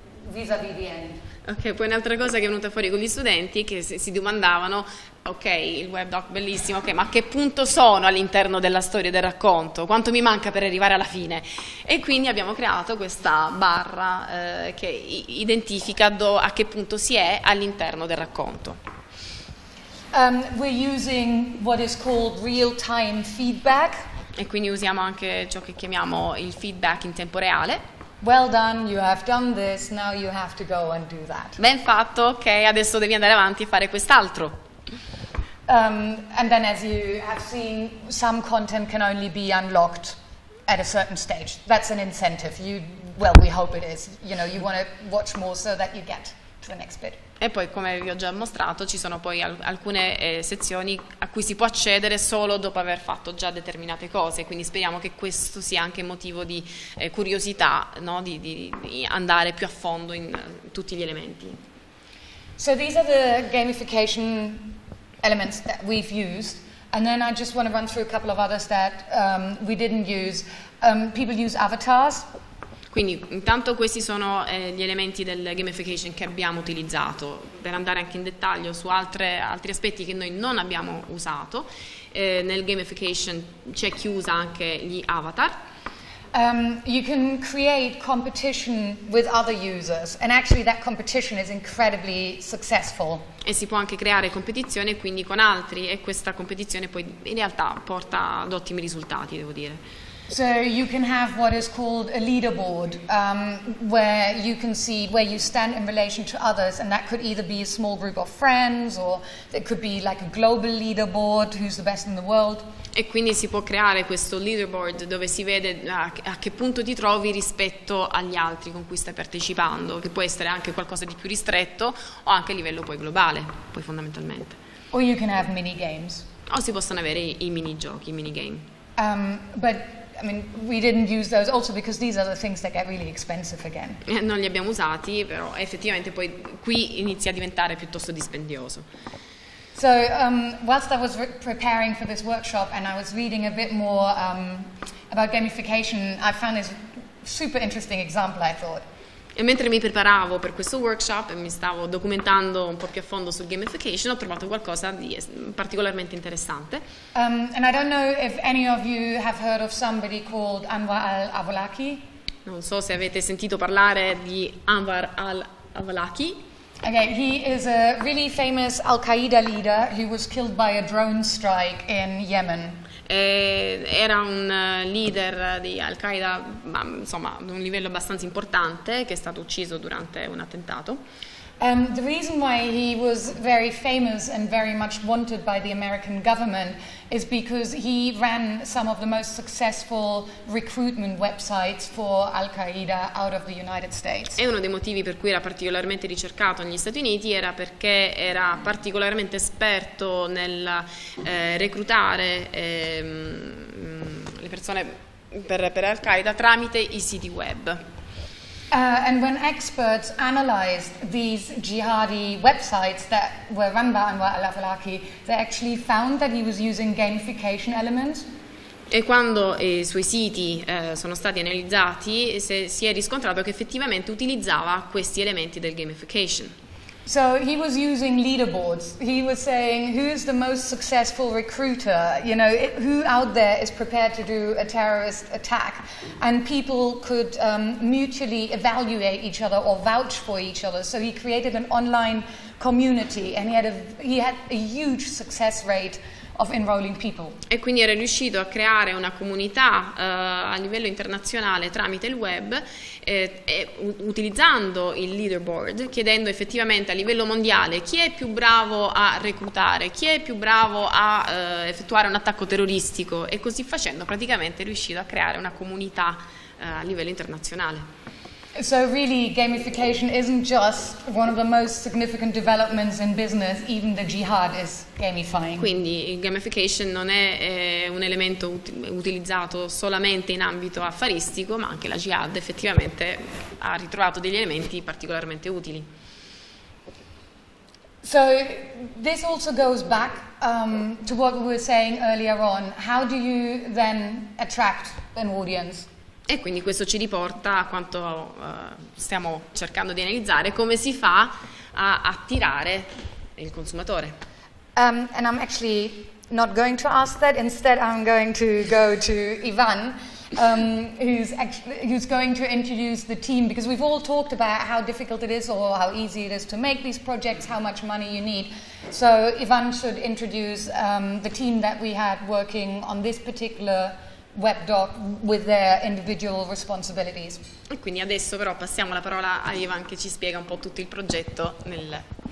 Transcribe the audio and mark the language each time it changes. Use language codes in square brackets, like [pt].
[it] Ok, poi un'altra cosa che è venuta fuori con gli studenti, che si domandavano, ok, il webdoc bellissimo, ok, ma a che punto sono all'interno della storia del racconto? Quanto mi manca per arrivare alla fine? E quindi abbiamo creato questa barra che identifica a che punto si è all'interno del racconto. [en] We're using what is called real-time feedback. [it] E quindi usiamo anche ciò che chiamiamo il feedback in tempo reale. [en] Well done, you have done this, now you have to go and do that. [it] Ben fatto, ok, adesso devi andare avanti e fare quest'altro. [en] And then as you have seen, some content can only be unlocked at a certain stage. That's an incentive. We hope it is. You know, you want to watch more so that you get to the next bit. [it] E poi, come vi ho già mostrato, ci sono poi alcune sezioni a cui si può accedere solo dopo aver fatto già determinate cose, quindi speriamo che questo sia anche motivo di curiosità, no? di andare più a fondo in tutti gli elementi. [en] So these are the gamification elements that we've used, and then I just want to run through a couple of others that we didn't use. People use avatars. [it] Quindi intanto questi sono gli elementi del gamification che abbiamo utilizzato, per andare anche in dettaglio su altri aspetti che noi non abbiamo usato. Nel gamification c'è chi usa anche gli avatar. [en] You can create competition with other users, and actually that competition is incredibly successful. [it] E si può anche creare competizione quindi con altri, e questa competizione poi in realtà porta ad ottimi risultati, devo dire. [en] So you can have what is called a leaderboard, where you can see where you stand in relation to others, and that could either be a small group of friends, or it could be like a global leaderboard, who's the best in the world. [it] E quindi si può creare questo leaderboard dove si vede a che punto ti trovi rispetto agli altri con cui stai partecipando, che può essere anche qualcosa di più ristretto o anche a livello poi globale, poi fondamentalmente. [en] Or you can have mini games. [it] O si possono avere i mini giochi, i mini game. [en] But I mean, we didn't use those also because these are the things that get really expensive again. [it] Non li abbiamo usati, però effettivamente poi qui inizia a diventare piuttosto dispendioso. [en] So, whilst I was preparing for this workshop and I was reading a bit more about gamification, I found this super interesting example, I thought. [it] E mentre mi preparavo per questo workshop e mi stavo documentando un po' più a fondo sul gamification, ho trovato qualcosa di particolarmente interessante. [en] And I don't know if any of you have heard of somebody called Anwar al-Awlaki. [it] Non so se avete sentito parlare di Anwar al-Awlaki. [en] Okay, he is a really famous Al-Qaeda leader who was killed by a drone strike in Yemen. [it] Era un leader di Al-Qaeda, insomma, ad un livello abbastanza importante, che è stato ucciso durante un attentato. [en] The reason why he was very famous and very much wanted by the American government is because he ran some of the most successful recruitment websites for Al-Qaeda out of the United States. [it] E uno dei motivi per cui era particolarmente ricercato negli Stati Uniti era perché era particolarmente esperto nel reclutare le persone per Al-Qaeda tramite i siti web. [en] And when experts analyzed these jihadi websites that were run by Anwar al-Awlaki, they actually found that he was using gamification elements. [it] E quando i suoi siti sono stati analizzati, si è riscontrato che effettivamente utilizzava questi elementi del gamification. [en] So he was using leaderboards. He was saying, who is the most successful recruiter? You know, who out there is prepared to do a terrorist attack? And people could mutually evaluate each other or vouch for each other. So he created an online community, and he had a huge success rate of enrolling people. [it] E quindi era riuscito a creare una comunità a livello internazionale tramite il web, utilizzando il leaderboard, chiedendo effettivamente a livello mondiale chi è più bravo a reclutare, chi è più bravo a effettuare un attacco terroristico, e così facendo praticamente è riuscito a creare una comunità a livello internazionale. [en] So really, gamification isn't just one of the most significant developments in business, even the jihad is gamifying. [it] Quindi gamification non è un elemento utilizzato solamente in ambito affaristico, ma anche la jihad effettivamente ha ritrovato degli elementi particolarmente utili. [en] So this also goes back to what we were saying earlier on. How do you then attract an audience? [it] E quindi questo ci riporta a quanto stiamo cercando di analizzare, come si fa a attirare il consumatore. [en] And I'm actually not going to ask that, instead I'm going to go to Ivan, who's going to introduce the team, because we've all talked about how difficult it is or how easy it is to make these projects, how much money you need. So Ivan should introduce the team that we had working on this particular webdoc with their individual responsibilities. [it] E quindi adesso però passiamo la parola a Ivan, che ci spiega un po' tutto il progetto nel